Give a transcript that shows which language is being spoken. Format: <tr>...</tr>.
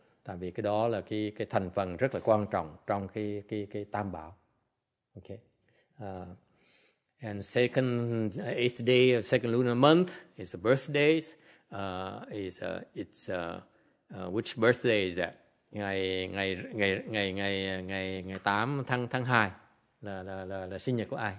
<vi>Tại vì cái đó là cái thành phần rất là quan trọng trong cái tam bảo.</vi> <en>Okay. And second eighth day of second lunar month is the birthdays. Which birthday is that?</en> <vi>Ngày 8 tháng 2 là sinh nhật của ai?</vi>